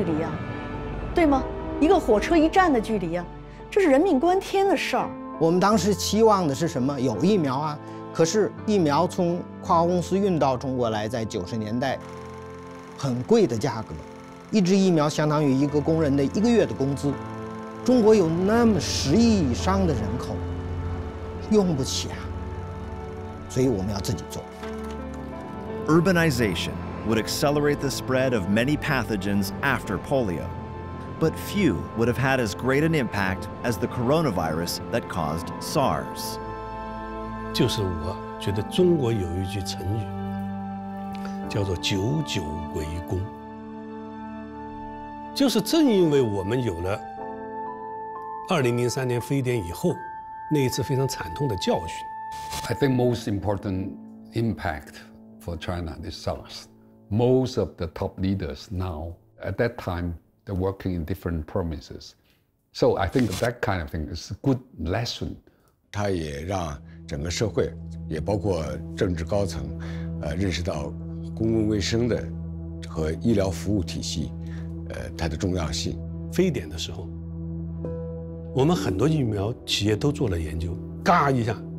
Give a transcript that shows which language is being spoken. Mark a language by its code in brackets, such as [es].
[zh] 被人类消灭了，一种疾病被消灭，在我们科学界有一部分科学家把它称为跟登月同辉。你知道，在1988年的时候，中国的上海因为吃毛蚶发生了30几万人同时感染甲型肝炎，几乎一个城市是倒掉的。一个传染病到另一个传染病的距离就是一个飞机的航班距离呀，对吗？一个火车一站的距离呀。这是人命关天的事儿。我们当时期望的是什么？有疫苗啊！可是疫苗从跨公司运到中国来，在90年代，很贵的价格，一支疫苗相当于一个工人的一个月的工资。中国有那么10亿以上的人口，用不起啊！所以我们要自己做。 [en] Urbanization would accelerate the spread of many pathogens after polio. But few would have had as great an impact as the coronavirus that caused SARS. [zh] 就是我觉得中国有一句成语,叫做九九归功。就是正因为我们有了2003年非典以后那一次非常惨痛的教训。 [en] I think most important impact for China is SARS. Most of the top leaders now, at that time, they're working in different provinces. So I think that kind of thing is a good lesson. [zh] 它也让整个社会，也包括政治高层，认识到公共卫生的和医疗服务体系，它的重要性。非典的时候，我们很多疫苗企业都做了研究，嘎一下。